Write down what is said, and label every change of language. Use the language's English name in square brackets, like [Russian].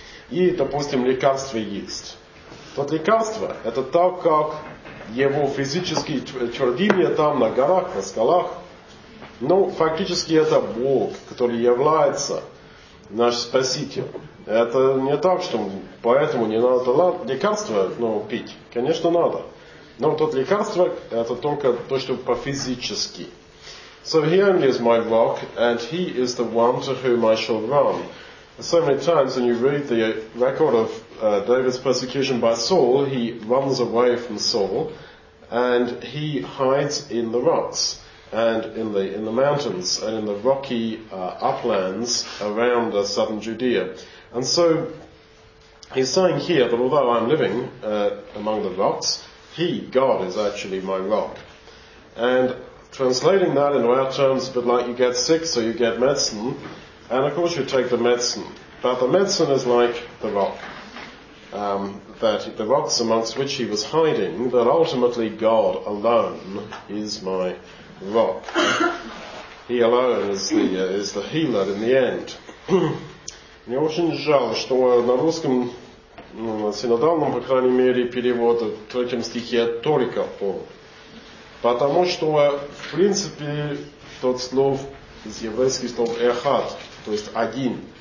[Russian] И, допустим, лекарство есть. Тот лекарство, это так, как его физические твердыни там на горах, на скалах. Ну, фактически это Бог, который является наш спаситель. Это не так, что поэтому не надо лекарство пить. Конечно, надо. Но тот лекарство, это только то, что по-физически. [English] So he only is my rock, and he is the one to whom I shall run. So many times when you read the record of David's persecution by Saul, he runs away from Saul, and he hides in the rocks, and in the mountains, and in the rocky uplands around southern Judea. And so he's saying here that although I'm living among the rocks, He, God, is actually my rock. And translating that into our terms, but like you get sick, so you get medicine, and of course you take the medicine. But the medicine is like the rock. That the rocks amongst which he was hiding, that ultimately God alone is my rock. He alone is the healer in the end. [Russian] Мне очень жаль, что на русском... синодальном, по крайней мере, переводе в третьем стихе «только он». Потому что, в принципе, тот слов из еврейских слов «эхат», то есть «один».